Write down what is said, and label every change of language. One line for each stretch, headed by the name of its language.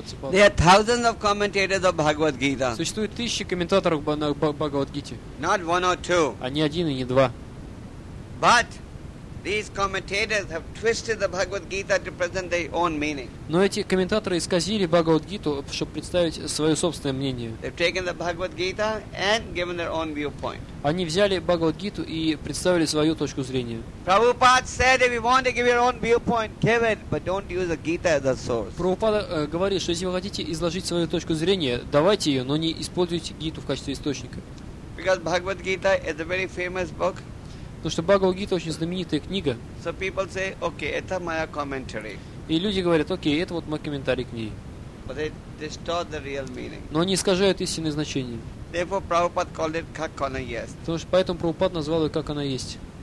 English: There are thousands of commentators of Bhagavad Gita.
Russian: Существует тысячи комментаторов на Бхагавад Гите.
English: Not one or two.
Russian: А не один и не два.
English: But these commentators have twisted the Bhagavad Gita to present their own meaning.
Russian: Но эти комментаторы исказили Бхагавад Гиту, чтобы представить свое собственное мнение.
English: They've taken the Bhagavad Gita and given their own viewpoint.
Russian: Они взяли Бхагавад Гиту и представили свою точку зрения.
English: Prabhupada said, if you want to give your own viewpoint, give it, but don't use the Gita as a source.
Russian: Prabhupada говорит, что если вы хотите изложить свою точку зрения, давайте ее, но не используйте Гиту в качестве источника.
English: Because Bhagavad Gita is a very famous book.
Russian: Потому что Бхагавад-гита очень знаменитая книга.
English: So people say, okay,
Russian: это моя
English: commentary.
Russian: И люди говорят, окей, это вот мой комментарий к ней.
English: But they distort the real meaning.
Russian: Но они искажают истинное значение.
English: Therefore, Prabhupada called it
Russian: как она есть. Потому что поэтому Прабхупад назвал ее как она есть.